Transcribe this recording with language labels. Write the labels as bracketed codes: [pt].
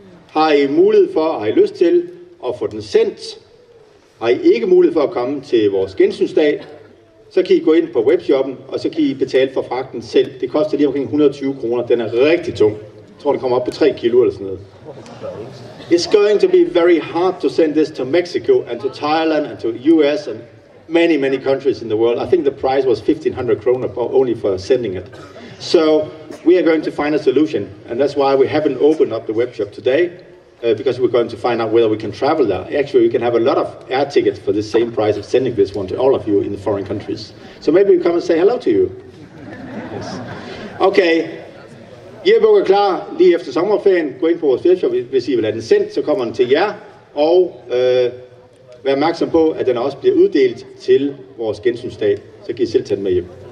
[da] Har I mulighed for, har I lyst til at få den sendt? Har I ikke mulighed for at komme til vores gensynsdag? Så kan I gå ind på webshoppen, og så kan I betale for fragten selv. Det koster lige omkring 120 kroner. Den er rigtig tung. Jeg tror, det kommer op på 3 kilo eller sådan noget. [en] It's going to be very hard to send this to Mexico and to Thailand and to US and many, many countries in the world. I think the price was 1500 kroner only for sending it. So we are going to find a solution. And that's why we haven't opened up the webshop today, because we're going to find out whether we can travel there. Actually, you can have a lot of air tickets for the same price of sending this one to all of you in the foreign countries. So maybe we come and say hello to you. Yes. Okay. [da] Yearbook er klar lige efter sommerferien. Gå ind på vores webshop, hvis I vil have den sendt, så kommer den til jer. Og vær opmærksom på, at den også bliver uddelt til vores gensynsdag. Så kan I selv tage den med hjem.